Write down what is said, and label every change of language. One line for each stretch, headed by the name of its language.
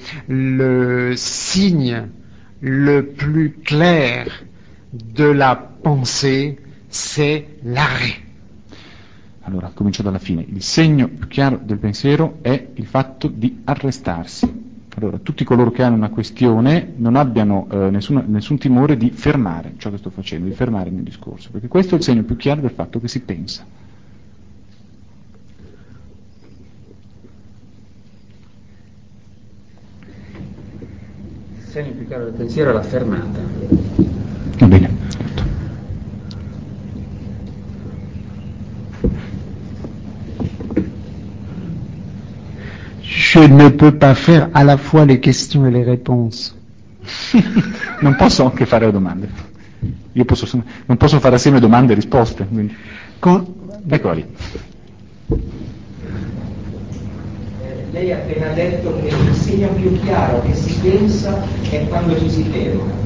French: Le signe le plus clair de la pensée, c'est l'arrêt.
Italian: Allora, comincio dalla fine. Il segno più chiaro del pensiero è il fatto di arrestarsi. Allora, tutti coloro che hanno una questione non abbiano nessun timore di fermare ciò che sto facendo, di fermare il mio discorso, perché questo è il segno più chiaro del fatto che si pensa. Il segno più chiaro del pensiero è la fermata. Va bene.
French: Je ne peux pas faire à la fois les questions et les réponses.
Italian: Non posso anche fare le domande. Io posso, non posso fare assieme domande e risposte. Quindi. Ecco lì. Lei ha appena detto che il segno più chiaro che si pensa è quando ci si ferma.